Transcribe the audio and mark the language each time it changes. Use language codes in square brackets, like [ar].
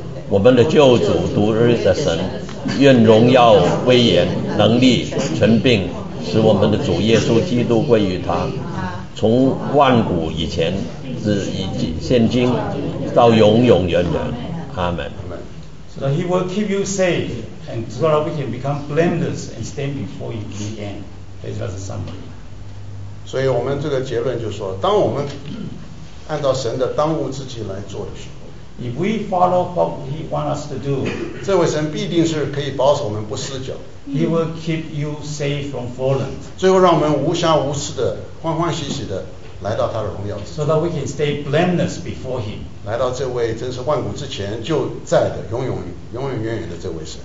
[zh] 我们的救主独日的神，愿荣耀威严能力权柄使我们的主耶稣基督归于他，从万古以前至现今到永永远远。阿们。 [en] So that he will keep you safe and so that we can become blameless and stand before you in the end. [zh] 所以我们这个结论就是说，当我们按照神的当务之急来做的时候 [en] ，If we follow what He wants us to do， [zh] 这位神必定是可以保守我们不失脚。 [en] He will keep you safe from falling。 [zh] 最后让我们无瑕无疵的、欢欢喜喜的来到他的荣耀。 [en] So that we can stay blameless before Him。 [zh] 来到这位真是万古之前就在的、永永永永远远的这位神。